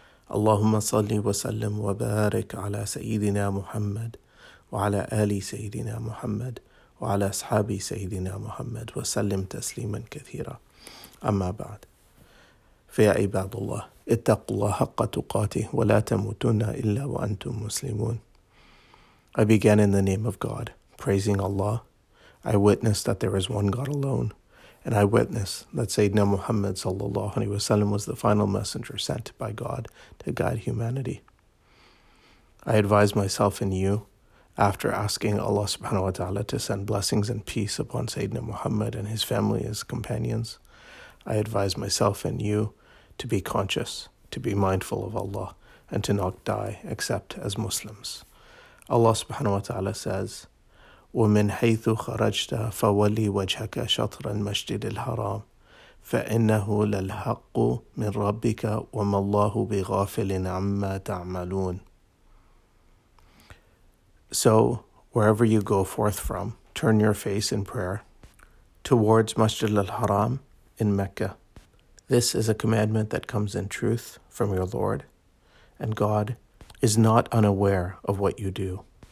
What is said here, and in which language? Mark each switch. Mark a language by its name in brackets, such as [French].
[Arabic] اللهم صل وسلم وبارك على سيدنا محمد وعلى آل سيدنا محمد وعلى أصحاب سيدنا محمد وسلم تسليما كثيرا أما بعد فيا عباد الله اتقوا الله حق تقاته ولا تموتن إلا وأنتم مسلمون. [English] I began in the name of God, praising Allah. I witness that there is one God alone, and I witness that Sayyidina Muhammad sallallahu alaihi wasallam was the final messenger sent by God to guide humanity. I advise myself and you, after asking Allah subhanahu wa ta'ala to send blessings and peace upon Sayyidina Muhammad and his family as companions, I advise myself and you to be conscious, to be mindful of Allah, and to not die except as Muslims. [Arabic] Allah subhanahu wa ta'ala says, وَمِنْ حَيْثُ خَرَجْتَ فَوَلِّي وَجْهَكَ شَطْرَ الْمَسْجِدِ الْحَرَامِ فَإِنَّهُ لَلْحَقُّ مِنْ رَبِّكَ وَمَا اللَّهُ بِغَافِلٍ عَمَّا تَعْمَلُونَ. [English] So, wherever you go forth from, turn your face in prayer towards Masjid al-Haram in Mecca. This is a commandment that comes in truth from your Lord, and God is not unaware of what you do.